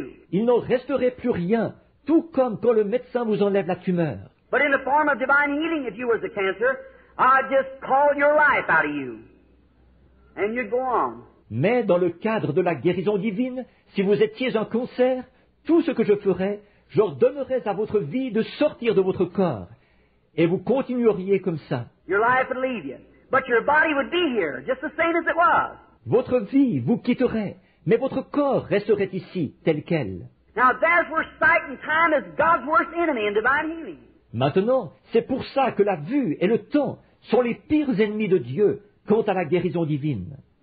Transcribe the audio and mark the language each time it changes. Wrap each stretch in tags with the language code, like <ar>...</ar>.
<fr>Il n'en resterait plus rien, tout comme quand le médecin vous enlève la tumeur.</fr> <en>But in the form of divine healing, if you were the cancer, I'd just call your life out of you, and you'd go on.</en> <fr>Mais dans le cadre de la guérison divine, si vous étiez un cancer, tout ce que je ferais, j'ordonnerais à votre vie de sortir de votre corps, et vous continueriez comme ça.</fr> <en>Your life would leave you, but your body would be here, just the same as it was.</en> <fr>Votre vie vous quitterait, mais votre corps resterait ici, tel quel.</fr> <en>Now there's where sight and time is God's worst enemy in divine healing.</en> <fr>Maintenant, c'est pour ça que la vue et le temps sont les pires ennemis de Dieu quant à la guérison divine.</fr>